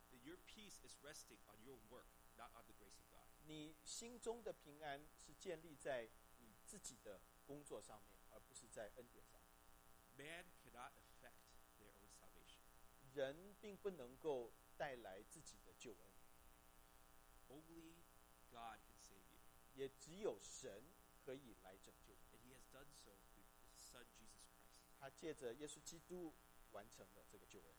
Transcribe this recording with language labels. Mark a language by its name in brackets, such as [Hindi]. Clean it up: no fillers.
[English] then your peace is resting on your work, not on the grace of God. [Chinese] 你心中的平安是建立在你自己的工作上面，而不是在恩典上。 [English] Man cannot affect their own salvation. [Chinese] 人并不能够带来自己的救恩。 [English] Only God can save you. [Chinese] 也只有神可以来拯救。 [English] And He has done so through His Son Jesus Christ. [Chinese] 他借着耶稣基督完成了这个救恩。